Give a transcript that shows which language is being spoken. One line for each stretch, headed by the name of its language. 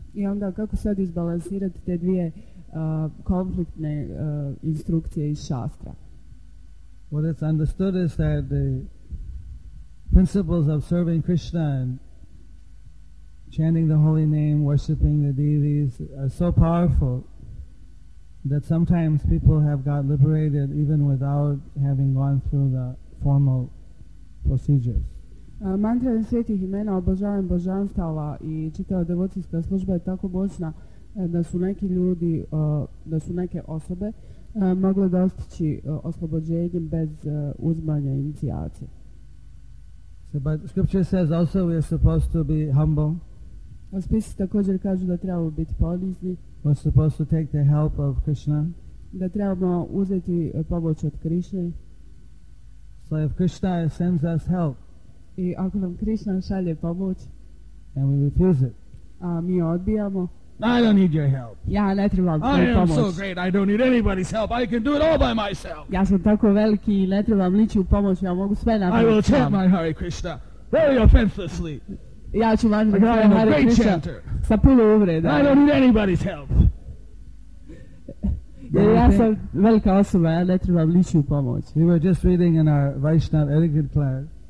Croatian: I onda kako sad izbalansirati te dvije konfliktne instrukcije iz Shastra?
English: What is understood is that the principles of serving Krishna and chanting the holy name, worshipping the deities are so powerful that sometimes people have got liberated even without having gone through the formal procedures.
Croatian: Mantra svetih imena, obožavam božanstava i čitava devocijska služba je tako moćna da su neki ljudi, da su neke osobe mogle dostići oslobođenje bez uzmanja inicijacije.
English: So, but scripture says also we are supposed to be humble.
Croatian: A spisi također kažu da trebamo biti ponizni.
English: We're supposed to take the help of Krishna.
Croatian: Da trebamo uzeti pomoć od Krishne.
English: So if Krishna sends us help,
Croatian: i ako nam Krishna šalje pomoć,
English: And we refuse it.
Croatian: A mi odbijamo.
English: I don't need your help.
Croatian: Ja ne trebam tvoju pomoć.
English: I am so great, I don't need anybody's help. I can do it all by myself.
Croatian: Ja sam tako veliki, ne trebam ničiju pomoć, ja mogu sve napraviti.
English: I will chant my Hare Krishna very offensively.
Croatian: Ja ću vam reći Hare Krishna sa puno uvreda.
English: I don't need anybody's help.
Croatian: Ja sam velika osoba, ja ne trebam ničiju pomoć.
English: We were just reading in our Vaishnava etiquette class.